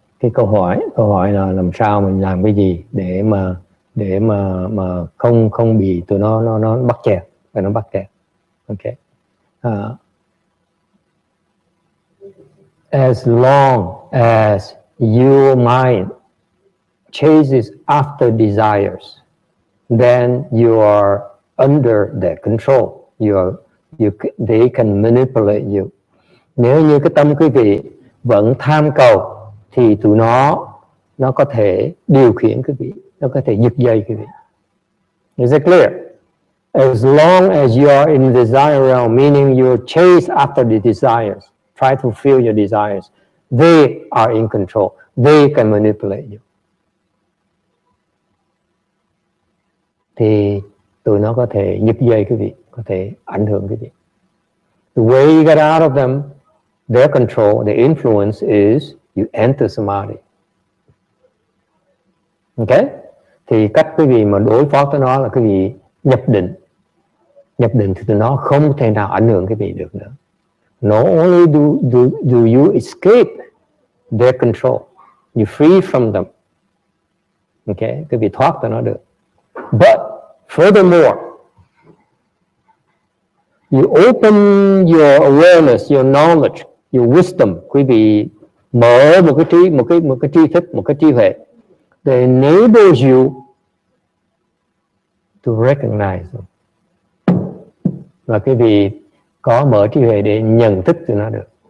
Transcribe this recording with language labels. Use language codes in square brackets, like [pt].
[vi] Cái câu hỏi là làm sao mình làm cái gì để mà không bị tụi nó bắt chẹt, và nó bắt chẹt. [en] Okay. As long as your mind chases after desires, then you are under their control. They can manipulate you. [vi] Nếu như cái tâm quý vị vẫn tham cầu thì tụi nó có thể điều khiển quý vị, nó có thể giật dây quý vị. [en] Is it clear? As long as you are in the desire realm, meaning you chase after the desires, try to fulfill your desires, they are in control. They can manipulate you. [vi] Thì tụi nó có thể giật dây quý vị, có thể ảnh hưởng quý vị. [en] The way you get out of them, their control, their influence is you enter samadhi. [vi] Okay? Thì cách quý vị mà đối phó với nó là quý vị nhập định. nhập định thì nó không thể nào ảnh hưởng cái vị được nữa. [en] No only do you escape their control, you free from them. [vi] Okay, cái vị thoát cho nó được. [en] But furthermore, you open your awareness, your knowledge, your wisdom. [vi] Quý vị mở một cái tri thức, một cái tri huệ [en] that enables you to recognize them. [vi] Và quý vị có mở tri huệ để nhận thức từ nó được.